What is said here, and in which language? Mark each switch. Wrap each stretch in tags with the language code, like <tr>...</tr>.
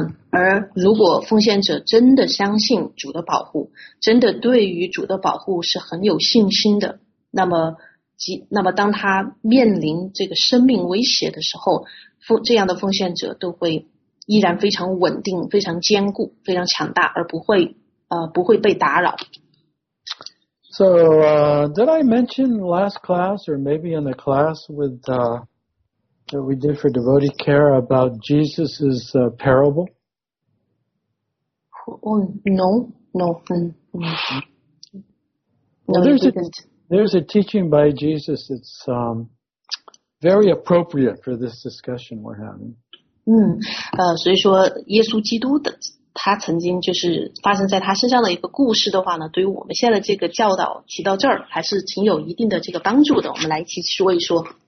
<zh>而如果奉献者真的相信主的保护，真的对于主的保护是很有信心的，那么当他面临这个生命威胁的时候，这样的奉献者都会依然非常稳定，非常坚固，非常强大，而不会被打扰。</zh> <en>So, did I mention last class or maybe in the class with, that we did for devotee care about Jesus' parable? Oh, no. Well, there's, didn't. A, There's a teaching by Jesus that's very appropriate for this discussion we're having.</en> <zh>所以说耶稣基督的他曾经就是发生在他身上的一个故事的话呢，对于我们现在的这个教导提到这儿还是挺有一定的这个帮助的，我们来一起说一说。</zh>